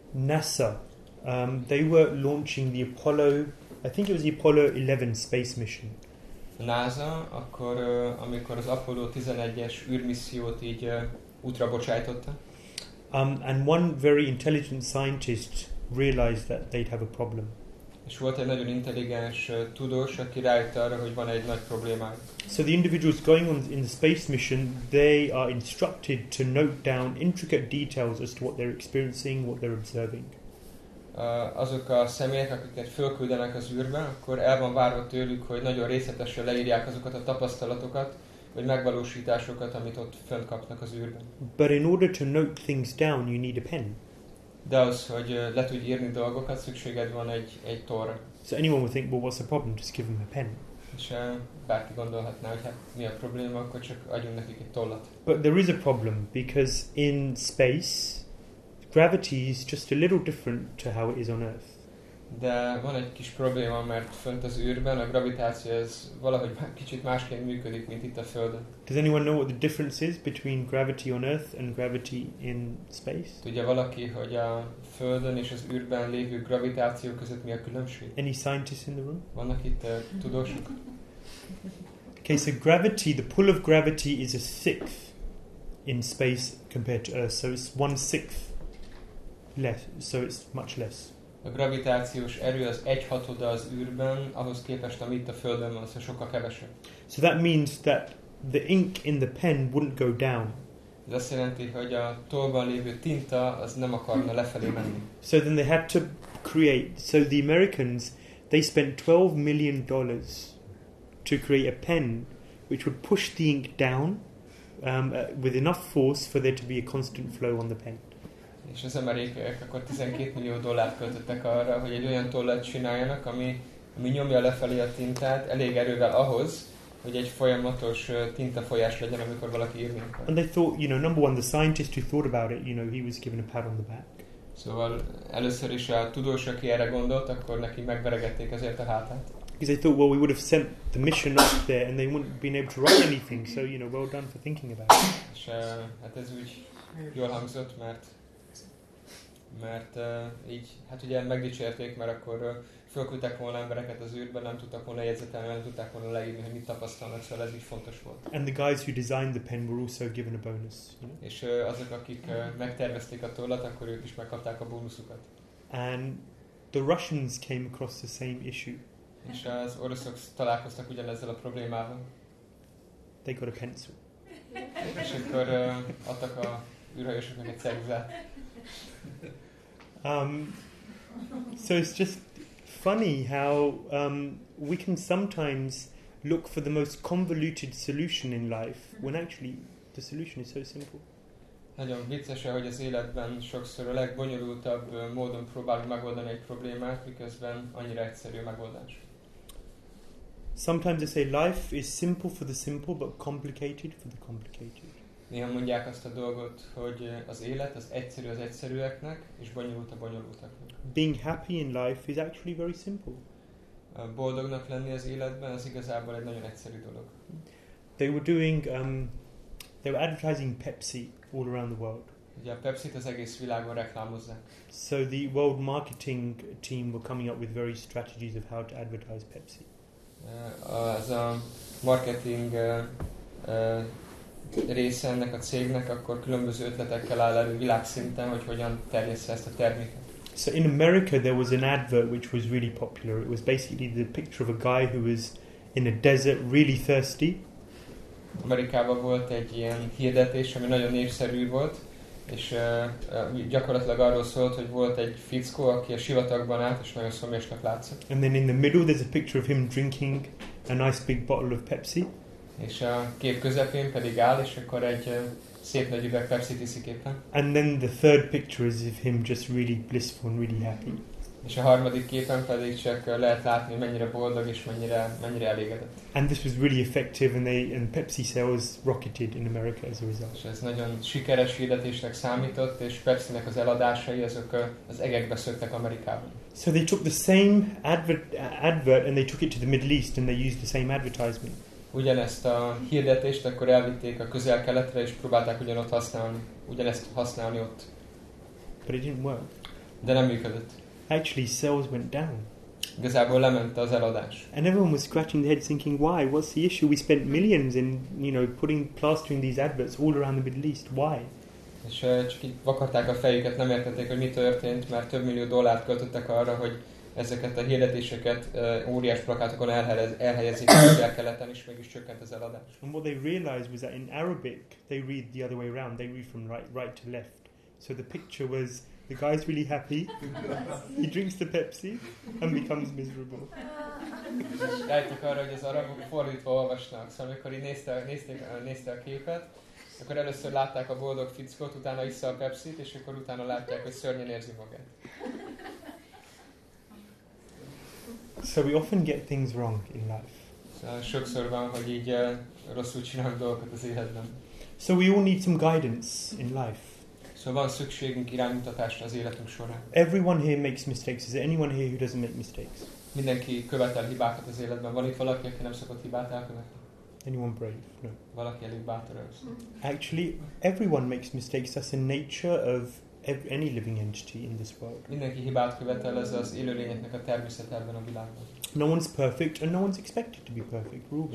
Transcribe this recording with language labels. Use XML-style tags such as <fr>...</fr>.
<en>NASA, they were launching the Apollo, I think it was the Apollo 11 space mission.</en> <hu>NASA, akkor amikor az Apollo 11-es űrmissziót így útra bocsájtotta.</hu> <en>And one very intelligent scientist realized that they'd have a problem.</en> <hu>És volt egy nagyon intelligens tudós, aki rájött arra, hogy van egy nagy problémájuk.</hu> <en>So the individuals going on in the space mission, they are instructed to note down intricate details as to what they're experiencing, what they're observing.</en> <hu>Azok a személyek, akiket fölküldenek az űrbe, akkor el van várva tőlük, hogy nagyon részletesen leírják azokat a tapasztalatokat, vagy megvalósításokat, amit ott fönt kapnak az űrben.</hu> <en>But in order to note things down, you need a pen.</en> <hu>De az, hogy le tudj írni dolgokat, szükséged van egy torra.</hu> <en>So anyone would think, well, what's the problem? Just give them a pen.</en> <hu>És bárki gondolhatná, hogy hát mi a probléma, akkor csak adjunk nekik egy tollat.</hu> <en>But there is a problem, because in space, gravity is just a little different to how it is on Earth.</en> <hu>De van egy kis probléma, mert fönt az űrben a gravitáció ez valahogy kicsit másként működik, mint itt a Földön.</hu> <en>Does anyone know what the difference is between gravity on Earth and gravity in space?</en> <hu>Tudja valaki, hogy a Földön és az űrben lévő gravitáció között mi a különbség?</hu> <en>Any scientists in the room?</en> <hu>Vannak itt tudósok?</hu> <en>Okay, so gravity, the pull of gravity is a sixth in space compared to Earth, so it's 1/6. Less, so it's much less.</en> <hu>A gravitációs erő az 1/6 az űrben, ahhoz képest, ami itt a Földön van, szóval sokkal kevesebb.</hu> <en>So that means that the ink in the pen wouldn't go down.</en> <hu>Ez azt jelenti, hogy a tollban lévő tinta az nem akarna lefelé menni.</hu> <en>So then they had to create, so the Americans, they spent $12 million to create a pen which would push the ink down with enough force for there to be a constant flow on the pen.</en> <hu>És az amerikaiak akkor 12 millió dollárt költöttek arra, hogy egy olyan tollat csináljanak, ami nyomja lefelé a tintát elég erővel ahhoz, hogy egy folyamatos tintafolyás legyen, amikor valaki írni akar.</hu> <en>And they thought, you know, number one, the scientist who thought about it, you know, he was given a pat on the back.</en> <hu>Szóval először is a tudós, aki erre gondolt, akkor neki megveregették ezért a hátát.</hu> <en>Because they thought, well, we would have sent the mission up there and they wouldn't have been able to write anything, so, you know, well done for thinking about it.</en> <hu>És hát ez úgy jól hangzott, mert így, hát ugye megdicsérték, mert akkor fölküldtek volna embereket az űrben, nem tudtak volna jegyzetelni, nem tudták volna leírni, hogy mit tapasztalnak, szóval ez így fontos volt.</hu> <en>And the guys who designed the pen were also given a bonus.</en> <hu>És azok, akik megtervezték a tollat, akkor ők is megkapták a bónuszukat.</hu> <en>And the Russians came across the same issue.</en> <hu>És az oroszok találkoztak ugyanezzel a problémával.</hu> <en>they got a pencil.</en> <hu>És akkor adtak a űrhajósoknak egy szerzát.</hu> <en>So it's just funny how we can sometimes look for the most convoluted solution in life when actually the solution is so simple.</en> <hu>Nagyon vicces, hogy az életben sokszor a legbonyolultabb módon próbáljuk megoldani egy problémát, miközben annyira egyszerű megoldás.</hu> <en>Sometimes they say life is simple for the simple, but complicated for the complicated.</en> <hu>Néha mondják azt a dolgot, hogy az élet az egyszerűeknek, és bonyolult a bonyolultaknak.</hu> <en>Being happy in life is actually very simple.</en> <hu>Boldognak lenni az életben az igazából egy nagyon egyszerű dolog.</hu> <en>They were advertising Pepsi all around the world.</en> <hu>Ugye a Pepsit az egész világon reklámozzák.</hu> <en>So the world marketing team were coming up with various strategies of how to advertise Pepsi.</en> <hu>Az a marketing része ennek a cégnek akkor különböző ötletekkel áll elő világszinten, hogy hogyan terjessze ezt a terméket.</hu> <en>So in America there was an advert which was really popular. It was basically the picture of a guy who was in a desert, really thirsty.</en> <hu>Amerikában volt egy ilyen hirdetés, ami nagyon népszerű volt, és gyakorlatilag arról szólt, hogy volt egy fickó, aki a sivatagban állt, és nagyon szomjasnak látszott.</hu> <en>And then in the middle there's a picture of him drinking a nice big bottle of Pepsi.</en> <hu>És a kép közepén pedig áll, és akkor egy szép nagy üveg Pepsit iszik éppen.</hu> <en>And then the third picture is of him just really blissful and really happy.</en> <hu>És a harmadik képen pedig csak lehet látni, mennyire boldog és mennyire elégedett.</hu> <en>And this was really effective, and Pepsi sales rocketed in America as a result.</en> <hu>És ez nagyon sikeres hirdetésnek számított, és Pepsinek az eladásai azok az egekbe szöktek Amerikában.</hu> <en>So they took the same advert and they took it to the Middle East and they used the same advertisement.</en> <hu>Ugyanezt a hirdetést akkor elvitték a Közel-Keletre és próbálták ugyanott használni, ugyanezt használni ott.</hu> <en>But it didn't work.</en> <hu>De nem működött.</hu> <en>Actually, sales went down.</en> <hu>Igazából lement az eladás.</hu> <en>And everyone was scratching their heads, thinking, "Why? What's the issue? We spent millions in, you know, plastering these adverts all around the Middle East. Why?"</en> <hu>És csak így vakarták a fejüket, nem értették, hogy mi történt, mert több millió dollárt költöttek arra, hogy ezeket a hirdetéseket óriás plakátokon elhelyezik a Közel-Keleten, és mégis csökkent az eladás.</hu> <en>And what they realized was that in Arabic, they read the other way around. They read from right to left. So the picture was, the guy's really happy. He drinks the Pepsi and becomes miserable.</en> <hu>Láttak arra, hogy az arabok fordítva olvasnak. Szóval, amikor így nézte a képet, akkor először látták a boldog fickót, utána iszta a Pepsit, és akkor utána látták, hogy szörnyen érzi magát.</hu> <en>So we often get things wrong in life.</en> <hu>Sokszor van, hogy így rosszul csinálunk dolgokat az életben.</hu> <en>So we all need some guidance in life.</en> <hu>Szóval van szükségünk iránymutatásra az életünk során.</hu> <en>Everyone here makes mistakes. Is there anyone here who doesn't make mistakes?</en> <hu>Mindenki követel hibákat az életben. Van itt valaki, aki nem szokott hibát elkövetni?</hu> <en>Anyone brave? No.</en> <hu>Valaki elég bátor?</hu> <en>Actually, everyone makes mistakes. That's the nature of any living entity in this world.</en> <hu>Mindenki hibát követel, ez az élőlényeknek a természet ebben a világban.</hu> <en>No one's perfect and no one's expected to be perfect.</en>